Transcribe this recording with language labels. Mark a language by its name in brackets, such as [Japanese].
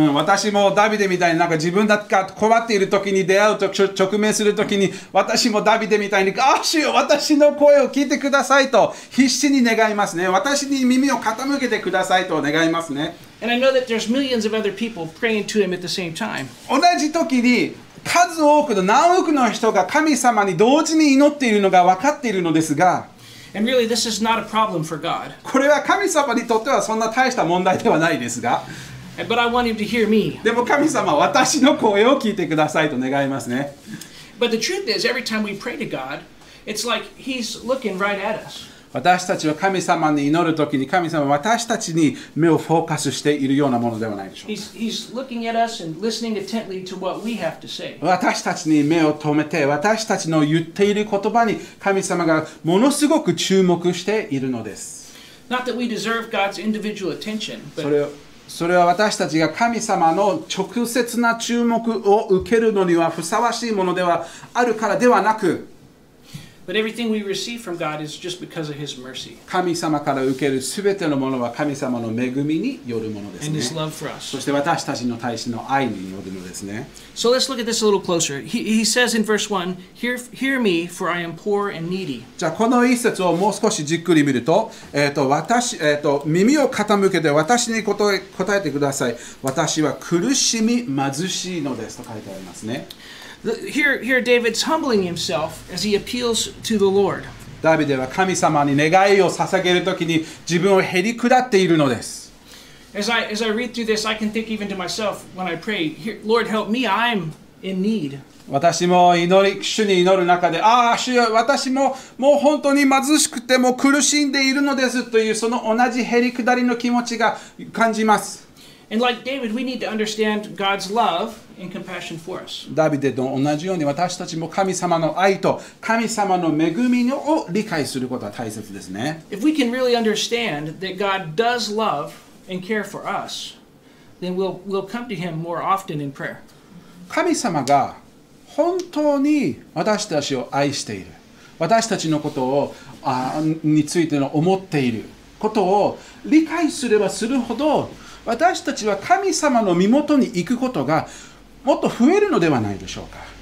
[Japanese] 私もダビデみたいになんか自分だが困っている時に出会うと直面する時に、私もダビデみたいに、あ、主よ、私の声を聞いてくださいと必死に願いますね。私に耳を傾けてくださいと願いますね。 [English] And I know that there's millions of other people praying to him at the same time. [Japanese] 同じ時に数多くの何億の人が神様に同時に祈っているのが分かっているのですが、 [English] And really, this is not a problem for God. [Japanese] これは神様にとってはそんな大した問題ではないですが。 [English] But I want him to hear me. [Japanese] でも神様、私の声を聞いてくださいと願いますね。 [English] But the truth is, every time we pray to God, it's like he's looking right at us. [Japanese] 私たちは神様に祈るときに、神様は私たちに目をフォーカスしているようなものではないでしょうか。 [English] He's looking at us and listening intently to what we have to say. [Japanese] 私たちに目を留めて、私たちの言っている言葉に神様がものすごく注目しているのです。 [English] Not that we deserve God's individual attention, but [Japanese] それは私たちが神様の直接な注目を受けるのにはふさわしいものではあるからではなく、 [English] But everything we receive from God is just because of His mercy. [Japanese] 神様から受けるすべてのものは神様の恵みによるものですね。 [English] And His love for us. [Japanese] そして私たちの対しての愛によるのですね。 [English] So let's look at this a little closer. He says in verse 1, hear me, for I am poor and needy. [Japanese] じゃあこの一節をもう少しじっくり見ると、耳を傾けて私に答えてください。私は苦しみ貧しいのですと書いてありますね。 [English] Here David's humbling himself as he appeals to the Lord. [Japanese] ダビデは神様に願いを捧げるときに自分をへり下っているのです。 [English] As I read through this, I can think even to myself when I pray, Lord help me, I'm in need. [Japanese] 私も祈り、主に祈る中で、ああ、主よ、私ももう本当に貧しくても苦しんでいるのですというその同じへり下りの気持ちが感じます。 [English] And like David, we need to understand God's love and compassion for us. [Japanese] ダビデと同じように私たちも神様の愛と神様の恵みを理解することは大切ですね。 [English] If we can really understand that God does love and care for us, then we'll come to Him more often in prayer. [Japanese] 神様が本当に私たちを愛している、私たちのことをについての思っていることを理解すればするほど、私たちは神様の身元に行くことがもっと増えるのではないでしょうか。